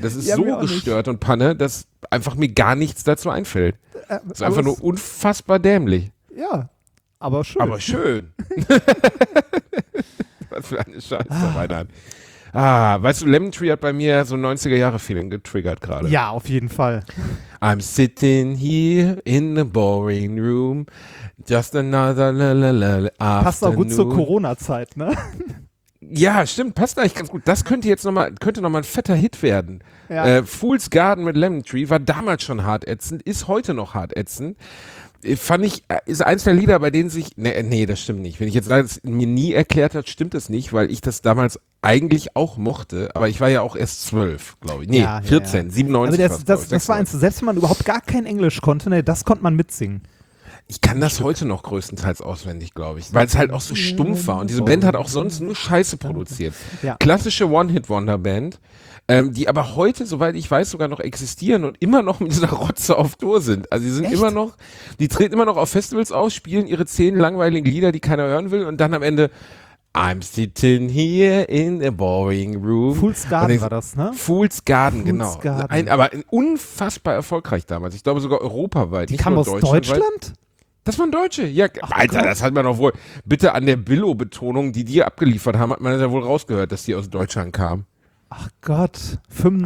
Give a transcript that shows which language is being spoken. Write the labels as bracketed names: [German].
[German] Das ist ja, so gestört nicht. Und Panne, dass einfach mir gar nichts dazu einfällt. Das ist einfach nur unfassbar dämlich. Ja, aber schön. Aber schön. Was für eine Scheiße, Reinhard. Ah, weißt du, Lemon Tree hat bei mir so 90er-Jahre-Feeling getriggert gerade. Ja, auf jeden Fall. [English] I'm sitting here in the boring room, just another afternoon. [German] Passt auch gut zur Corona-Zeit, ne? Ja, stimmt, passt eigentlich ganz gut. Das könnte jetzt nochmal ein fetter Hit werden. Ja. Fool's Garden mit Lemon Tree war damals schon hart ätzend, ist heute noch hart ätzend. Fand ich, ist eins der Lieder, bei denen sich, nee, das stimmt nicht. Wenn ich jetzt sage, es mir nie erklärt hat, stimmt das nicht, weil ich das damals eigentlich auch mochte, aber ich war ja auch erst 12, glaube ich. Nee, ja, 14, ja, ja. 97. Also das war eins, selbst wenn man überhaupt gar kein Englisch konnte, nee, das konnte man mitsingen. Ich kann das heute noch größtenteils auswendig, glaube ich, weil es halt auch so stumpf war und diese Band hat auch sonst nur Scheiße produziert. Ja. Klassische One-Hit-Wonder-Band, die aber heute, soweit ich weiß, sogar noch existieren und immer noch mit dieser Rotze auf Tour sind. Also die sind immer noch, die treten immer noch auf Festivals aus, spielen ihre 10 langweiligen Lieder, die keiner hören will und dann am Ende, [English] I'm sitting here in the boring room. [German] Fool's Garden war das, ne? Fool's Garden, genau. Fool's Garden. Aber unfassbar erfolgreich damals. Ich glaube sogar europaweit. Die kam aus Deutschland? Das waren Deutsche. Ja, ach, Alter, Gott. Das hat man doch wohl. Bitte an der Billo-Betonung, die die abgeliefert haben, hat man das ja wohl rausgehört, dass die aus Deutschland kamen. Ach Gott, 95